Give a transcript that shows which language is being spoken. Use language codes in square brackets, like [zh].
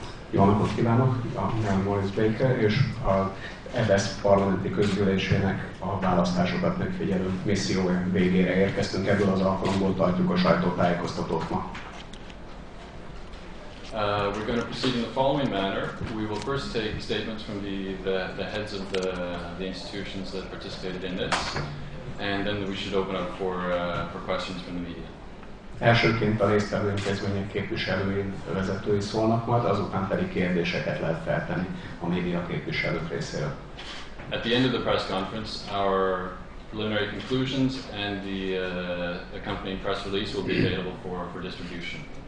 [hu] Jó napot kívánok, nevem Maurice Baker, és az parlamenti közgyűlésének a választásokat megfigyelő misszióján végére érkeztünk. Ebből az alkalomból tartjuk a sajtótájékoztatót ma. [en] We're going to proceed in the following manner. We will first take statements from the heads of the institutions that participated in this, and then we should open up for questions from the media. [hu] Elsőként a résztvevő intézmények képviselői vezetői szólnak majd, azután pedig kérdéseket lehet feltenni a média képviselők részéről. [en] At the end of the press conference, our preliminary conclusions and the accompanying press release will be available for distribution.